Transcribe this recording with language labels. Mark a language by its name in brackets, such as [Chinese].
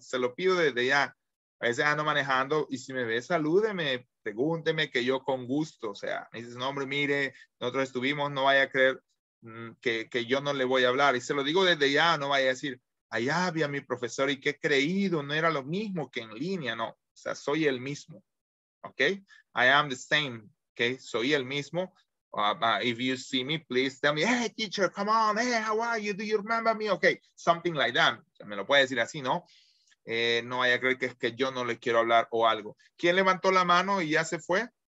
[Spanish] Se lo pido desde ya. A veces ando manejando y si me ve, salúdeme, pregúnteme que yo con gusto, o sea, me dices, no hombre, mire, nosotros estuvimos, no vaya a creer que yo no le voy a hablar. Y se lo digo desde ya, no vaya a decir, allá había mi profesor y qué creído, no era lo mismo que en línea, no, o sea, soy el mismo, ok, [English] I am the same, ok, [Spanish] soy el mismo, [English] If you see me, please tell me, hey, teacher, come on, hey, how are you? Do you remember me? Okay, something like that. [Spanish] Ya me lo puede decir así, ¿no? No vaya a creer que es que yo no le quiero hablar o algo. ¿Quién levantó la mano y ya se fue?